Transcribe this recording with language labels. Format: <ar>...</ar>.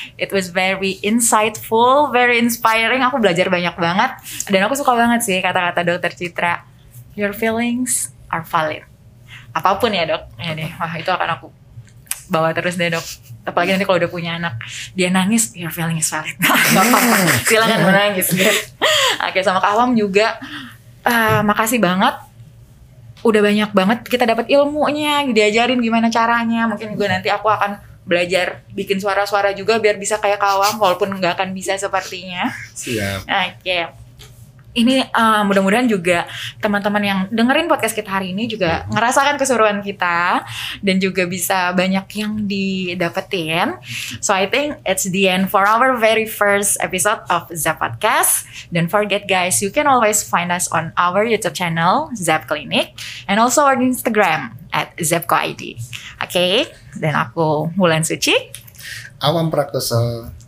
<en>It was very insightful, very inspiring.</en> <id>Aku belajar banyak banget. Dan aku suka banget sih kata-kata Dokter Citra,</id> <en>your feelings are valid.</en> <id>Apapun ya dok ya deh. Wah itu akan aku bawa terus deh dok. Apalagi nanti kalau udah punya anak, dia nangis,</id> <en>your feelings valid.</en> <id>Silakan menangis. Oke, sama Kawam juga makasih banget. Udah banyak banget kita dapat ilmunya, diajarin gimana caranya. Mungkin gue nanti aku akan belajar bikin suara-suara juga biar bisa kayak Kawam, walaupun gak akan bisa sepertinya. Siap. Oke. Ini mudah-mudahan juga teman-teman yang dengerin podcast kita hari ini juga ngerasakan keseruan kita dan juga bisa banyak yang didapetin.</id> <en>So I think it's the end for our very first episode of Zep Podcast. Don't forget guys, you can always find us on our YouTube channel Zep Clinic and also our Instagram at ZepcoID.</en> <id>Okay, dan aku Wulan Suci, Awam Prakoso,</id>